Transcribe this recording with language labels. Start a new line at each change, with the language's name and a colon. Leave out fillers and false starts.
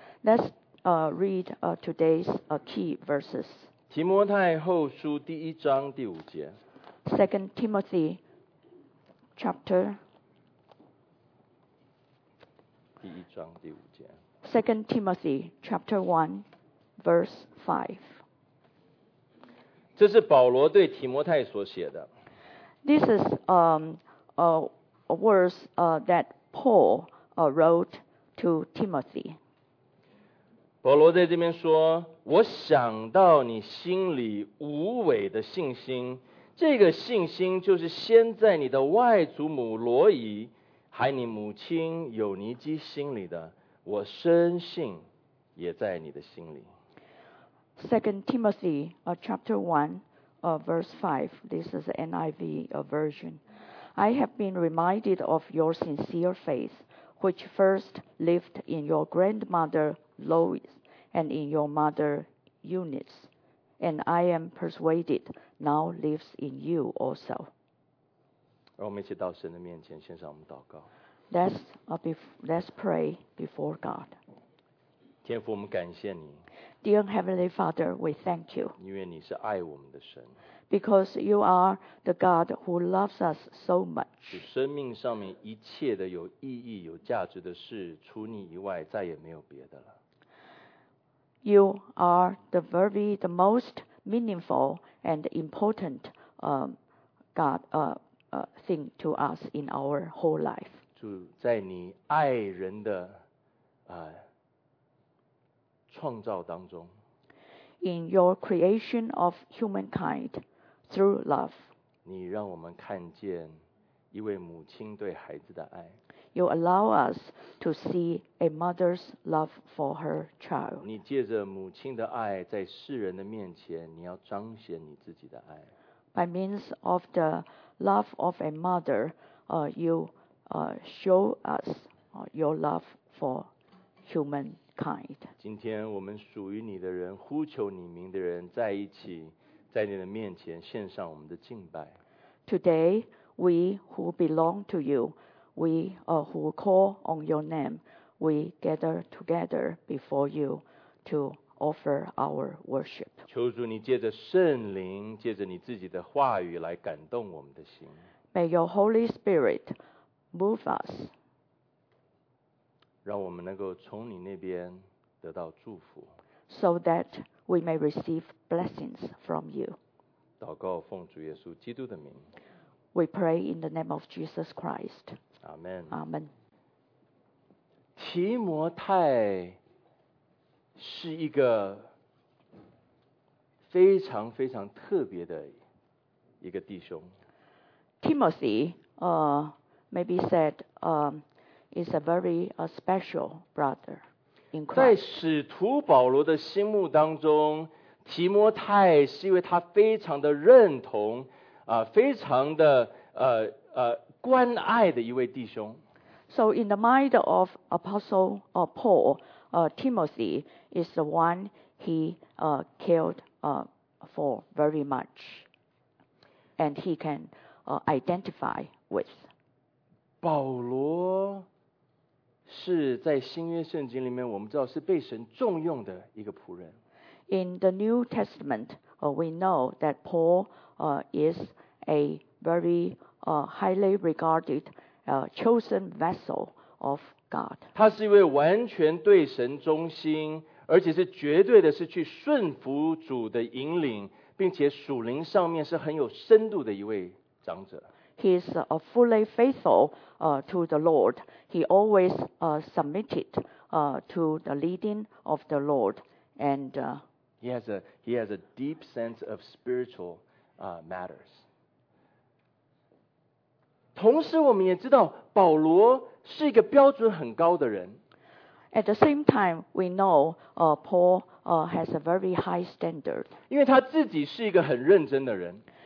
English: Let's read today's key verses.
Chinese: 提摩太后书第一章第五节。
English: Second Timothy chapter.
Chinese: 第一章第五节。
English: Second Timothy chapter 1, verse 5.
Chinese: 这是保罗对提摩太所写的。
English: This is a verse that Paul wrote to Timothy.
Chinese: 保罗在这边说，我想到你心里无伪的信心，这个信心就是先在你的外祖母罗姨，还你母亲有尼基心里的。我深信也在你的心里。
English: 2 Timothy chapter 1 verse 5, this is the NIV version. I have been reminded of your sincere faith, which first lived in your grandmother Lois and in your mother Eunice, and I am persuaded now lives in you also.
Chinese: 让我们一起到神的面前献上我们祷告。
English: Let's pray before God.
Chinese: 天父，我们感谢你。
English: Dear Heavenly Father, we thank you.
Chinese: 因为你是爱我们的神。
English: Because you are the God who loves us so much.
Chinese: 使生命上面一切的有意义、有价值的事，除你以外，再也没有别的了。
English: You are the most meaningful and important thing to us in our whole life.
Chinese: 主，在你爱人的创造当中
English: ，In your creation of humankind through love，
Chinese: 你让我们看见一位母亲对孩子的爱。
English: You allow us to see a mother's love for her child。
Chinese: 你借着母亲的爱，在世人的面前，你要彰显你自己的爱。
English: By means of the love of a mother, show us your love for humankind.
Chinese: 今天我们属于你的人，呼求你名的人，在一起，在你的面前献上我们的敬拜。
English: Today, we who belong to you, who call on your name, we gather together before you to offer our worship.
Chinese: 求主你借着圣灵，借着你自己的话语来感动我们的心。
English: May your Holy Spirit. Move us.
Chinese: 让我们能够从你那边得到祝福。
English: So that we may receive blessings from you.
Chinese: 祷告奉主耶稣基督的名。
English: We pray in the name of Jesus Christ. Amen. Amen.
Chinese: 提摩太是一个非常非常特别的一个弟兄。
English: Timothy, maybe said, is a very special brother in Christ.
Chinese: 在使徒保罗的心目当中，提摩太是因为他非常的认同，非常的关爱的一位弟兄。
English: So in the mind of Apostle Paul, Timothy is the one he cared for very much, and he can identify with.
Chinese: 保罗是在新约圣经里面，我们知道是被神重用的一个仆人。
English: In the New Testament, we know that Paul is a very highly regarded chosen vessel of God.
Chinese: 他是一位完全对神忠心，而且是绝对的是去顺服主的引领，并且属灵上面是很有深度的一位长者。
English: He is fully faithful to the Lord. He always submitted to the leading of the Lord. And he has a deep sense of spiritual matters.
Chinese: 同时我们也知道保罗是一个标准很高的人。
English: At the same time, we know Paul has a very high standard.
Chinese: 因为他自己是一个很认真的人。